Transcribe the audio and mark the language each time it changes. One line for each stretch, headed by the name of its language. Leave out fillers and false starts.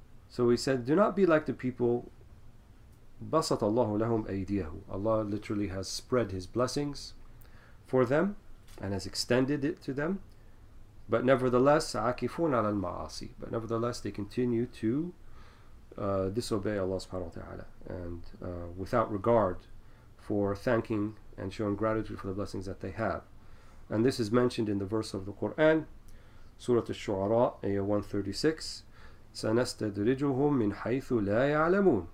English: So he said, do not be like the people.
Arabic: بسط الله لهم أيديه.
English: Allah literally has spread his blessings for them and has extended it to them. But nevertheless,
Arabic: عَكِفُونَ عَلَى الْمَعَاصِي.
English: But nevertheless, they continue to disobey Allah subhanahu wa ta'ala, and without regard for thanking and showing gratitude for the blessings that they have. And this is mentioned in the verse of the Quran, Surah Al-Shu'ara, Ayah 136,
Arabic: سَنَسْتَدْرِجُهُمْ مِنْ حَيْثُ لَا يَعْلَمُونَ.